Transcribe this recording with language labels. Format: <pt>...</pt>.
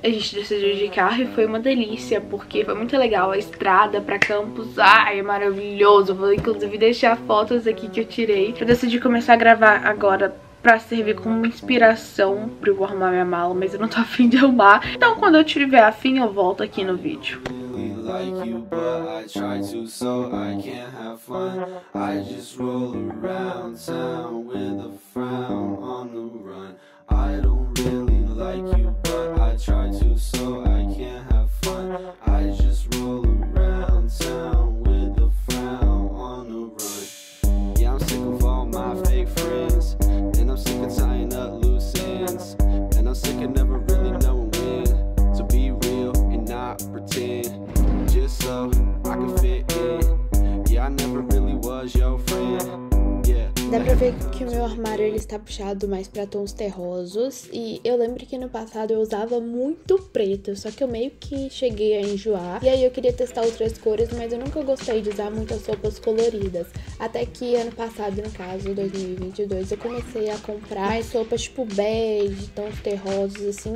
<pt>A gente decidiu de carro e foi uma delícia. Porque foi muito legal a estrada pra Campos. Ai, é maravilhoso. Vou inclusive deixar fotos aqui que eu tirei. Eu decidi começar a gravar agora pra servir como inspiração pra eu arrumar minha mala. Mas eu não tô afim de arrumar. Então quando eu tiver afim eu volto aqui no vídeo.</pt> <en>Like you, but I try to, so I can't have fun. I just roll around town with a frown on the run. I don't really like you, but I try to, so I can't have fun. I just roll around town with a frown on the run. Yeah, I'm sick of all my fake friends, and I'm sick of tying up loose ends, and I'm sick of never really knowing when to be real and not pretend. So I can fit in. Yeah, I never really was your friend.</en> <pt>Dá pra ver que o meu armário ele está puxado mais pra tons terrosos. E eu lembro que no passado eu usava muito preto, só que eu meio que cheguei a enjoar. E aí eu queria testar outras cores, mas eu nunca gostei de usar muitas roupas coloridas. Até que ano passado, no caso, 2022, eu comecei a comprar mais roupas tipo bege, tons terrosos, assim.</pt>